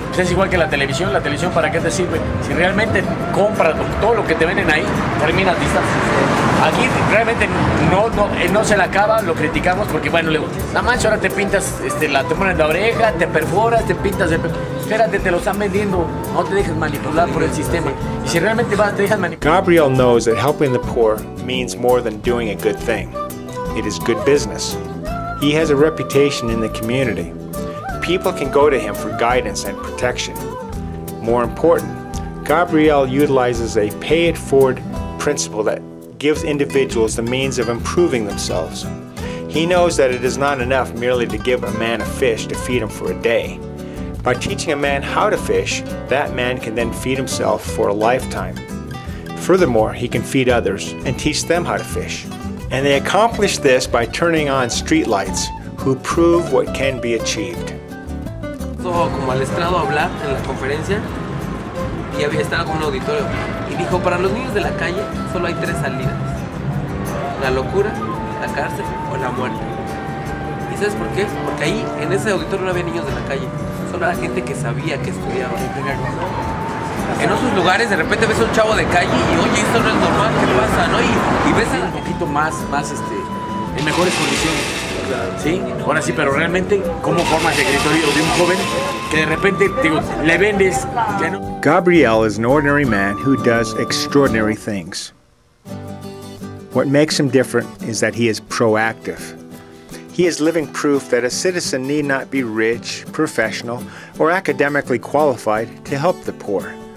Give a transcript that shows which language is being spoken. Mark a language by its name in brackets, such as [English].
[Spanish] Pues es igual que la televisión para qué te sirve. Si realmente compras todo lo que te venden ahí, terminas distancia. Aquí realmente no se la acaba, lo criticamos porque bueno, le digo, nada más ahora te pintas, te pones la oreja, te perforas, te pintas, espérate, te lo están vendiendo, no te dejes manipular por el sistema. Y si realmente vas, te dejas manipular. [English] Gabriel knows that helping the poor means more than doing a good thing. It is good business. He has a reputation in the community. People can go to him for guidance and protection. More important, Gabriel utilizes a pay-it-forward principle that gives individuals the means of improving themselves. He knows that it is not enough merely to give a man a fish to feed him for a day. By teaching a man how to fish, that man can then feed himself for a lifetime. Furthermore, he can feed others and teach them how to fish. And they accomplish this by turning on streetlights who prove what can be achieved. [Spanish] So, como al estrado hablar en la conferencia, y había estado con un auditorio, y dijo, para los niños de la calle, solo hay 3 salidas. La locura, la cárcel o la muerte. ¿Y sabes por qué? Porque ahí, en ese auditorio, no había niños de la calle. Solo era gente que sabía, que estudiaba. En otros lugares de repente ves a un chavo de calle y oye, esto no es normal, ¿qué pasa? ¿No? Y ves un poquito más en mejores condiciones. ¿Sí? Ahora sí, pero realmente, ¿cómo formas el criterio de un joven que de repente digo, le vendes? Ya no. [English] Gabriel is an ordinary man who does extraordinary things. What makes him different is that he is proactive. He is living proof that a citizen need not be rich, professional, or academically qualified to help the poor.